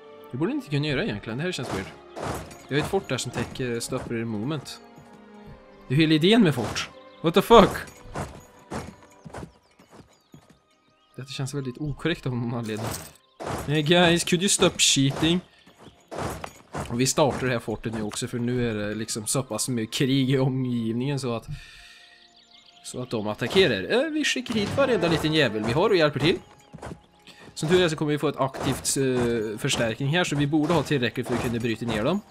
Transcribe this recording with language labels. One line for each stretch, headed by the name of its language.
Swedish: Det borde ni inte kunna göra egentligen, det här känns weird. Jag har ett fort där som täcker stoppar i moment. Det är hela idén med fort.
English: What the fuck?
Swedish: Det känns väldigt okorrekt av någon anledning.
English: Hey guys, could you stop cheating?
Swedish: Och vi startar det här fortet nu också, för nu är det liksom så pass mycket krig i omgivningen så att de attackerar. Vi skickar hit varenda liten jävel vi har och hjälper till. Som tur är så kommer vi få ett aktivt förstärkning här, så vi borde ha tillräckligt för att kunna bryta ner dem.